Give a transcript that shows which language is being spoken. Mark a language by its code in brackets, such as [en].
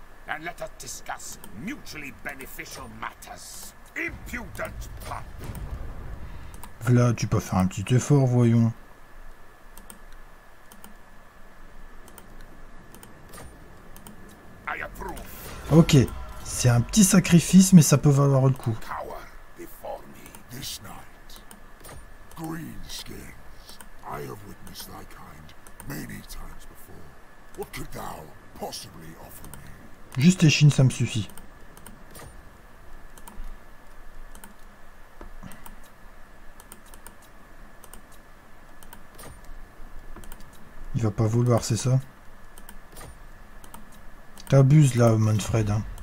[en] And let us discuss mutually beneficial matters. Impudent pup. [fr] Vlad, tu peux faire un petit effort, voyons. [en] I approve. [fr] Ok, c'est un petit sacrifice, mais ça peut valoir le coup. [en] Cower before me this night. Green skins. I have witnessed thy kind many times before. What could thou possibly offer me? [fr] Juste échine, ça me suffit. Il va pas vouloir, c'est ça? T'abuses là, Manfred. Hein.